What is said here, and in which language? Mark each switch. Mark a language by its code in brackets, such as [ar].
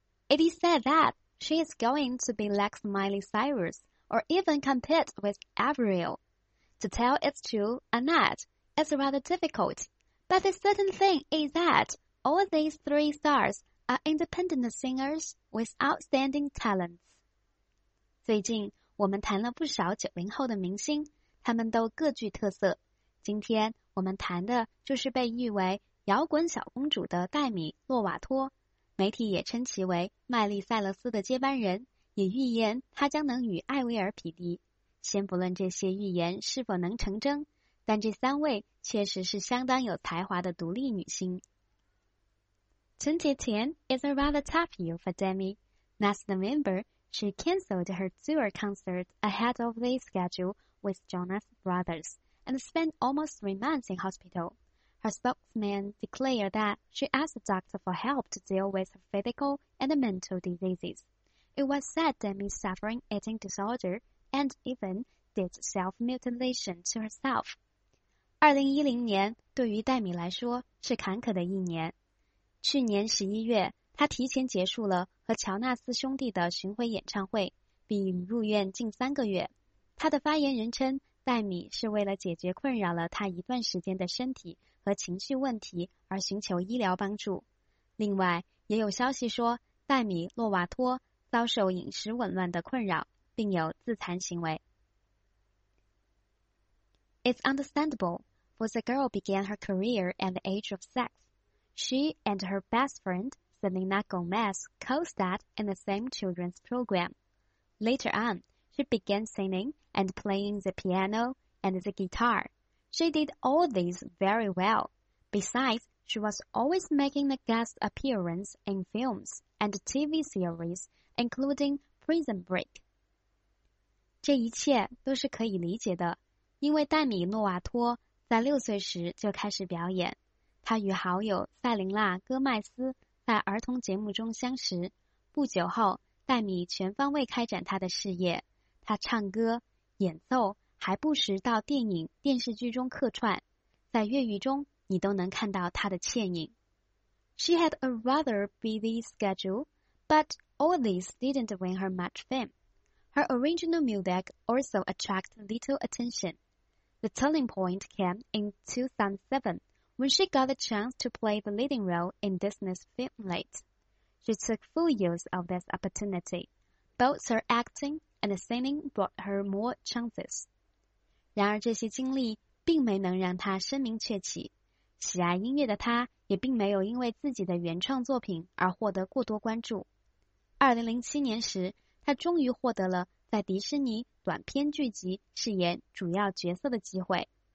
[en] It is said that she is going to be like Miley Cyrus or even compete with Avril. To tell it's true or not, it's rather difficult. But the certain thing is that all these three stars are independent singers with outstanding talents. [zh] 最近我们谈了不少90后的明星，他们都各具特色。今天我们谈的就是被誉为摇滚小公主的黛米·洛瓦托，媒体也称其为麦莉·塞勒斯的接班人，也预言她将能与艾薇儿匹敌。先不论这些预言是否能成真，但这三位确实是相当有才华的独立女星。 [en] 2010 is a rather tough year for Demi. Last November, she cancelled her tour concert ahead of the schedule with Jonas Brothers and spent almost 3 months in hospital. Her spokesman declared that she asked the doctor for help to deal with her physical and mental diseases. It was said Demi suffering eating disorder and even did self-mutilation to herself. [zh] 2010年对于黛米来说是坎坷的一年。去年11月，他提前结束了和乔纳斯兄弟的巡回演唱会，并入院近3个月。他的发言人称，黛米是为了解决困扰了他一段时间的身体和情绪问题而寻求医疗帮助。另外，也有消息说，黛米·洛瓦托遭受饮食紊乱的困扰，并有自残行为。 [en] It's understandable, for the girl began her career at the age of six. She and her best friend, Selena Gomez, co-starred in the same children's program. Later on, she began singing and playing the piano and the guitar. She did all these very well. Besides, she was always making a guest appearance in films and TV series, including Prison Break. [zh] 这一切都是可以理解的，因为黛米·诺瓦托在6岁时就开始表演。他与好友塞琳娜·戈麦斯在儿童节目中相识。不久后，黛米全方位开展他的事业。他唱歌、演奏，还不时到电影、电视剧中客串。在粤语中，你都能看到他的倩影。 [en] She had a rather busy schedule, but all this didn't win her much fame. Her original music also attracted little attention. The turning point came in 2007. When she got the chance to play the leading role in Disney's film Late, she took full use of this opportunity. Both her acting and singing brought her more chances. [zh] 然而这些经历并没能让她声名鹊起。喜爱音乐的她也并没有因为自己的原创作品而获得过多关注。 2007年时，她终于获得了在迪士尼短片剧集饰演主要角色的机会。